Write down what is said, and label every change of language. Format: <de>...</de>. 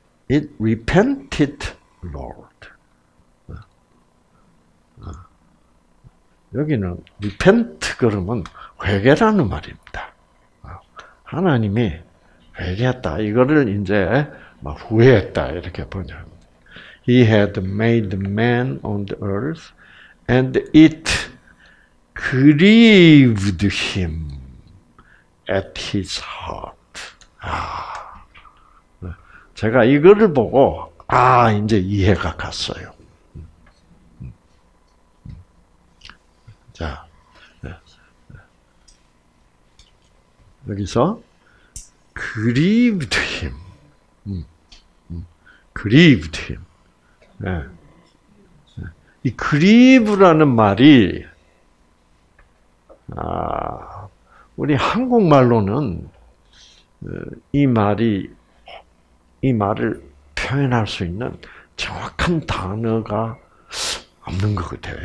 <en>It repented, Lord.</en> <ko>여기는 repent 그러면 회개라는 말입니다. 하나님이 회개했다. 이거를 이제 막 후회했다 이렇게 번역합니다.</ko> <en>He had made man on the earth, and it grieved him at his heart.</en> <ko>아, 제가 이거를 보고 아 이제 이해가 갔어요. 자, 여기서</ko> <en>grieved him, grieved him.</en> <ko>이 grieve라는 말이 우리 한국말로는 이 말을 표현할 수 있는 정확한 단어가 없는 것 같아요.</ko>